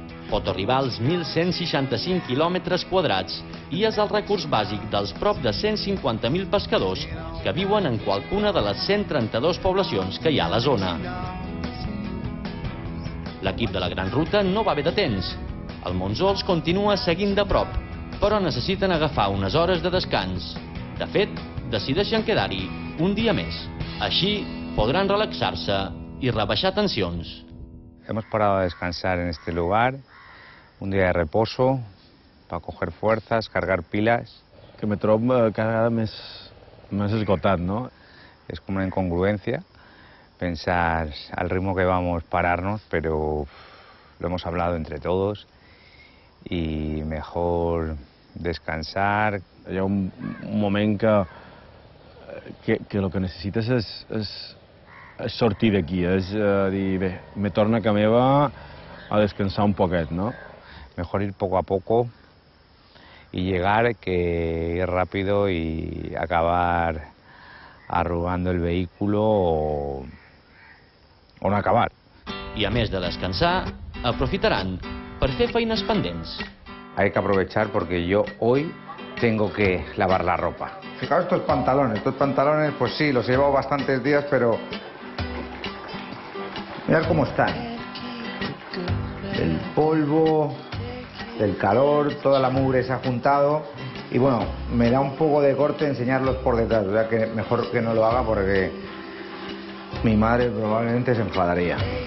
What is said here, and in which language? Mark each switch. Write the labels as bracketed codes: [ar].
[ca] Pot arribar als 1.165 quilòmetres quadrats i és el recurs bàsic dels prop de 150.000 pescadors que viuen en qualcuna de les 132 poblacions que hi ha a la zona. L'equip de la Gran Ruta no va bé de temps. El monsó els continua seguint de prop, però necessiten agafar unes hores de descans. De fet, decideixen quedar-hi un dia més. Així podran relaxar-se i rebaixar tensions. [es] Hemos parado a descansar en este lugar, un día de reposo, para coger fuerzas, cargar pilas. [ca] Que me trobo cada vegada més esgotat, no? [es] Es como una incongruencia pensar al ritmo que vamos pararnos, pero lo hemos hablado entre todos y mejor descansar. [ca] Hi ha un moment que lo que necessites és sortir d'aquí, és dir, bé, me torna a casa meva a descansar un poquet, no? [es] Mejor ir poco a poco y llegar que ir rápido y acabar arrugando el vehículo o no acabar. [ca] I a més de descansar, aprofitaran per fer feines pendents. [es] Hay que aprovechar porque yo hoy tengo que lavar la ropa. Fijaos estos pantalones, pues sí, los he llevado bastantes días, pero mirad cómo están. El polvo, el calor, toda la mugre se ha juntado y bueno, me da un poco de corte enseñarlos por detrás, o sea que mejor que no lo haga porque mi madre probablemente se enfadaría.